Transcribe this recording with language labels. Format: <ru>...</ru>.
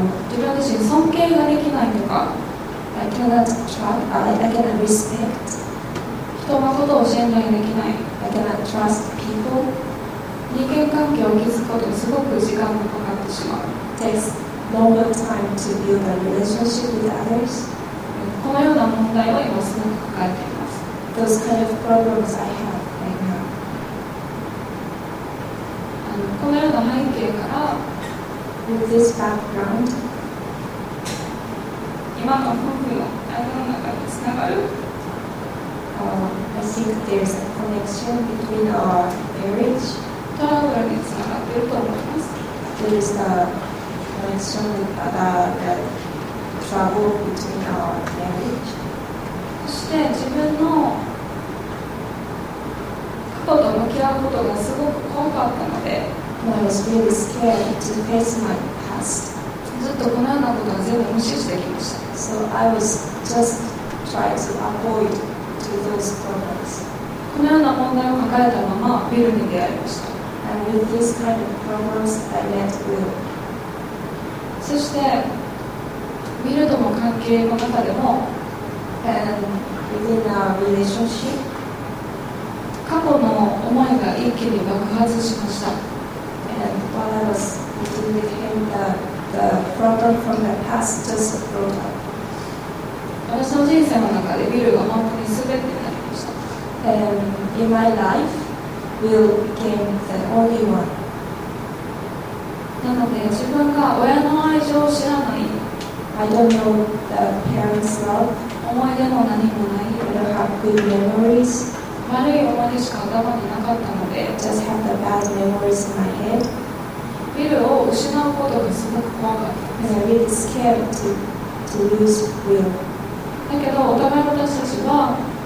<ja>自分自身尊敬ができないとか、</ja> <en>I cannot trust, I cannot respect.</en> <ja>人のことを信頼できない、</ja> <en>I cannot trust people.</en> <ja>人間関係を築くことにすごく時間がかかってしまう、</ja> <en>It takes longer time to build a relationship with others.</en> <ja>このような問題を今すごく抱えています。</ja> <en>Those kind of problems I have right now.</en> <ja>このような背景から</ja> <en>With this background,</en> <ja>今の夫婦の愛の中でつながる、</ja> <en>I think there's a connection between our marriage</en> <ja>トラブルにつながっていると思います。</ja> <en>There is a connection that trouble between our marriage.</en> <ja>そして自分の過去と向き合うことがすごく怖かったので、</ja> <en>I was really scared to face my past.</en> <ja>ずっとこのようなことは全部無視してきました。</ja> <en>So I was just trying to avoid to those problems.</en> <ja>このような問題を抱えたままビルに出会いました。</ja> <en>And with this kind of problems, I met Will.</en> <ja>そしてビルとの関係の中でも、</ja> <en>And within our relationship,</en> <ja>過去の思いが一気に爆発しました。</ja> <en>And while I was meeting with him, the problem from the past just broke up.</en> <ja>私の人生の中でビルが本当に全てになりました。</ja> <en>In my life, Will became the only one.</en> <ja>なので自分が親の愛情を知らない。</ja> <en>I don't know the parents' love.</en> <ja>思い出も何もない。</ja> <en>I don't have good memories.</en> <ja>悪い思いしか頭になかったので。</ja> <en>Just have the bad memories in my head.</en> <ja>Will を失うことがすごく怖かった。</ja> <en>And I'm really scared to lose Will.</en> <ja>だけどお互いの私たちは。</ja>